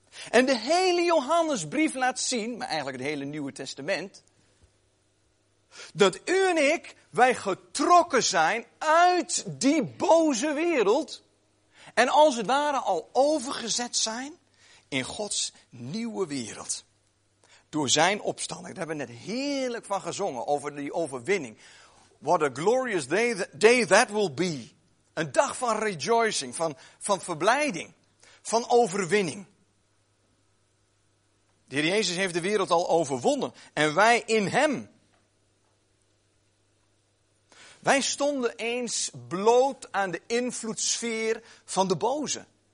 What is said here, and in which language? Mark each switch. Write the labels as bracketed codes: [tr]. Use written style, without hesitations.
[nl] En de hele Johannesbrief laat zien, maar eigenlijk het hele Nieuwe Testament, dat u en ik, wij getrokken zijn uit die boze wereld. En als het ware al overgezet zijn in Gods nieuwe wereld. Door zijn opstanding. Daar hebben we net heerlijk van gezongen over die overwinning. [en] What a glorious day that will be. [nl] Een dag van rejoicing, van verblijding, van overwinning. De Heer Jezus heeft de wereld al overwonnen. En wij in hem. Wij stonden eens bloot aan de invloedssfeer van de boze.